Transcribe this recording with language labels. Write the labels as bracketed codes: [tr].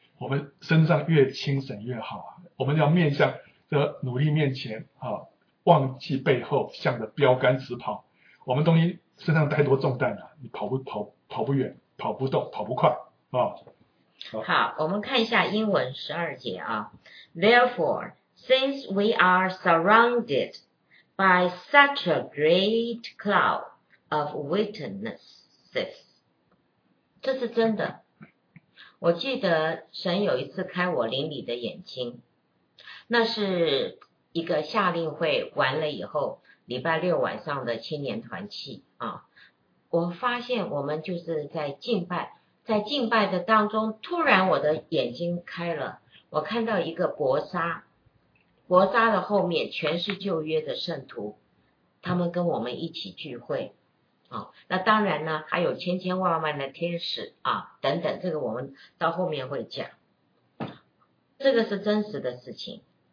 [zh] 我们身上越轻省越好啊。我们要面向这努力面前啊，忘记背后，向着标杆直跑。我们东西身上太多重担了、啊，你跑不远，跑不动，跑不快啊。好，我们看一下英文十二节啊。 [en] Therefore, since we are surrounded by such a great cloud of witnesses， [zh] 这是真的。我记得神有一次开我灵里的眼睛，那是一个夏令会完了以后，礼拜六晚上的青年团契啊，我发现我们就是在敬拜。在敬拜的当中，突然我的眼睛开了，我看到一个薄纱，薄纱的后面全是旧约的圣徒，他们跟我们一起聚会、哦、那当然呢还有千千万万的天使啊等等，这个我们到后面会讲，这个是真实的事情。